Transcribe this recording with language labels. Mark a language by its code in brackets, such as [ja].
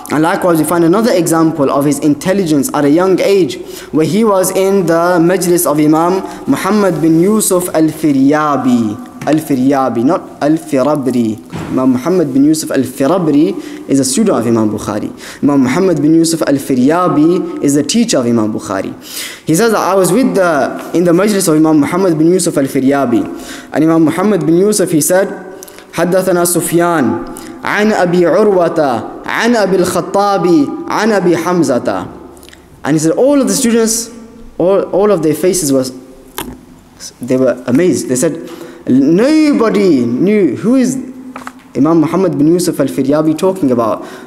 [en] And likewise, we find another example of his intelligence at a young age, where he was in the majlis of Imam Muhammad bin Yusuf al-Firyabi. Al-Firyabi, not Al-Firabri. Imam Muhammad bin Yusuf Al-Firabri is a student of Imam Bukhari. Imam Muhammad bin Yusuf Al-Firyabi is a teacher of Imam Bukhari. He says that I was in the majlis of Imam Muhammad bin Yusuf Al-Firyabi. And Imam Muhammad bin Yusuf, he said, [ar] حَدَّثَنَا Sufyan عَنْ أَبِي عُرْوَةَ عَنْ أَبِي الْخَطَّابِ عَنْ أَبِي حَمْزَةَ. [en] And he said, all of the students, all of their faces were amazed. They said, nobody knew who is Imam Muhammad bin Yusuf al-Firyabi talking about.